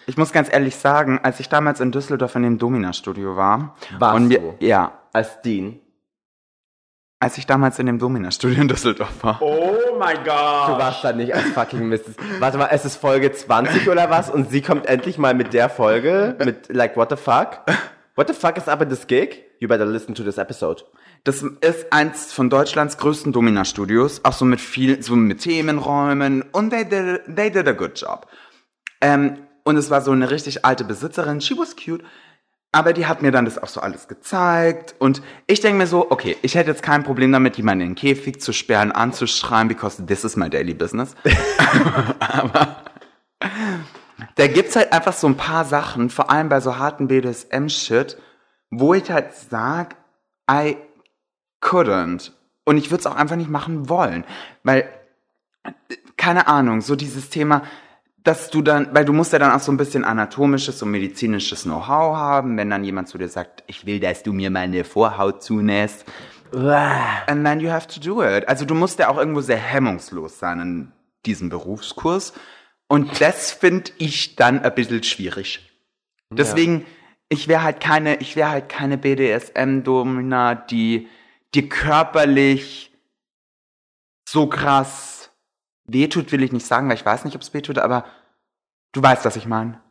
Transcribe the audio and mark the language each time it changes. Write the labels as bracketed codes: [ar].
[de] Ich muss ganz ehrlich sagen, als ich damals in Düsseldorf in dem Domina-Studio war. Ja. Als Dean? Als ich damals in dem Domina-Studio in Düsseldorf war. Oh mein Gott. Du warst da nicht als fucking Mrs. Warte mal, es ist Folge 20 oder was? Und sie kommt endlich mal mit der Folge? [en] Mit, like, what the fuck? What the fuck is up in this gig? You better listen to this episode. [de] Das ist eins von Deutschlands größten Domina-Studios, auch so mit viel, so mit Themenräumen, und [en] they did a good job. [de] Und es war so eine richtig alte Besitzerin, [en] she was cute, [de] aber die hat mir dann das auch so alles gezeigt, und ich denke mir so, okay, ich hätte jetzt kein Problem damit, jemanden in den Käfig zu sperren, anzuschreien, [en] because this is my daily business. [de] Aber da gibt's halt einfach so ein paar Sachen, vor allem bei so harten BDSM-Shit, wo ich halt sag, [en] I couldn't. [de] Und ich würde es auch einfach nicht machen wollen. Weil, keine Ahnung, so dieses Thema, dass du dann, weil du musst ja dann auch so ein bisschen anatomisches und medizinisches Know-how haben, wenn dann jemand zu dir sagt, ich will, dass du mir meine Vorhaut zunähst. [en] And then you have to do it. [de] Also du musst ja auch irgendwo sehr hemmungslos sein in diesem Berufskurs. Und das finde ich dann ein bisschen schwierig. Deswegen, ja. ich wäre halt keine BDSM-Domina, die dir körperlich so krass wehtut, will ich nicht sagen, weil ich weiß nicht, ob es wehtut, aber du weißt, was ich meine.